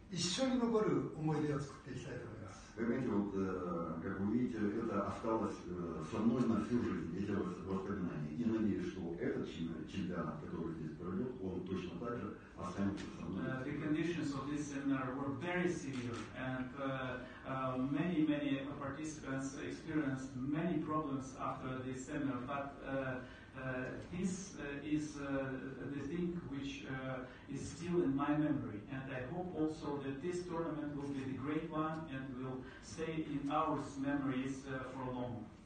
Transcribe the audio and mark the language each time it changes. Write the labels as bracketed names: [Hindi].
[Japanese] とても素晴らしい思い出を作りましたけれども、今回も一緒に残る思い出を作っていきたいと思います。 [Russian] Вот, как вы видите, это осталось со мной на всю жизнь, эти воспоминания. И надеюсь, что этот чемпионат, который здесь пройдет, он точно так же останется со мной. [English] The conditions of this seminar were very severe, and many participants experienced many problems after this seminar, but this is the thing which is still in my memory, and I hope also that this tournament will be the great one and will stay in our memories for long.